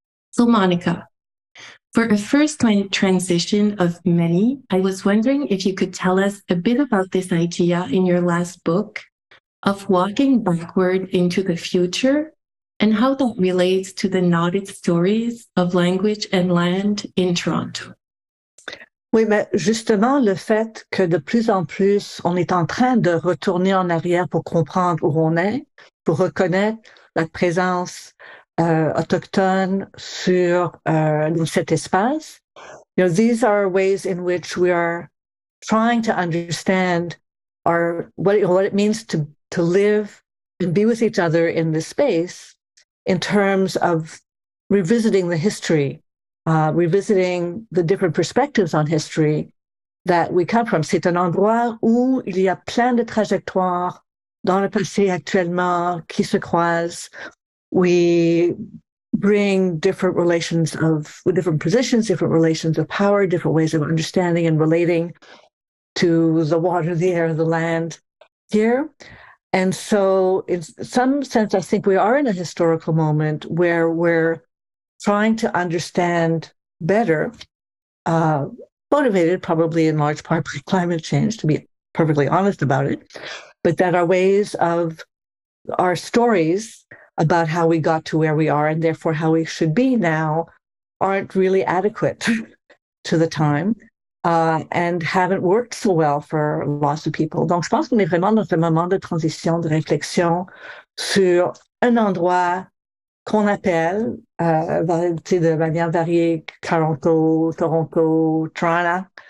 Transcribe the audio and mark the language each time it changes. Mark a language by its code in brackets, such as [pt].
[en] So, Monica, for a first-time transition of many, I was wondering if you could tell us a bit about this idea in your last book of walking backward into the future, and how that relates to the knotted stories of language and land in Toronto. [fr] Oui, mais justement, le fait que de plus en plus, on est en train de retourner en arrière pour comprendre où on est, pour reconnaître la présence autochtone sur cet espace. [en] You know, these are ways in which we are trying to understand what it means to live and be with each other in this space, in terms of revisiting the history, revisiting the different perspectives on history that we come from. [fr] C'est un endroit où il y a plein de trajectoires dans le passé actuellement qui se croisent. [en] We bring different relations of different positions, different relations of power, different ways of understanding and relating to the water, the air, the land here. And so in some sense, I think we are in a historical moment where we're trying to understand better, motivated probably in large part by climate change, to be perfectly honest about it, but that our ways of our stories about how we got to where we are and therefore how we should be now aren't really adequate to the time. And haven't worked so well for lots of people. [fr] Donc, je pense qu'on est vraiment dans un moment de transition, de réflexion sur un endroit qu'on appelle, de manière variée, Toronto, Toronto, Toronto.